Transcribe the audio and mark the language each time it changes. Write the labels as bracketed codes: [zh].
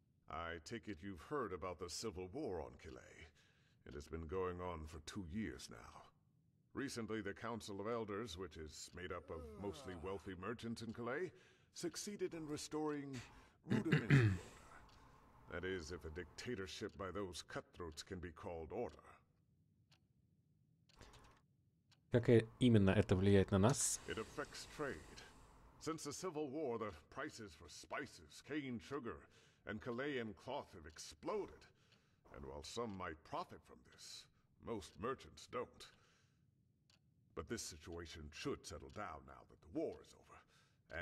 [en] I take it you've heard about the civil war on Kilay. It has been going on for 2 years now. Recently, the Council of Elders, which is made up of mostly wealthy merchants in Kilay, succeeded in restoring rudimentary order. That is, if a dictatorship by those cutthroats can be called order. [ru] Как именно это влияет на нас? [en] It affects trade. Since the Civil War, the prices for spices, cane sugar, and Kalayan cloth have exploded. And while some might profit from this, most merchants don't. But this situation should settle down now that the war is over.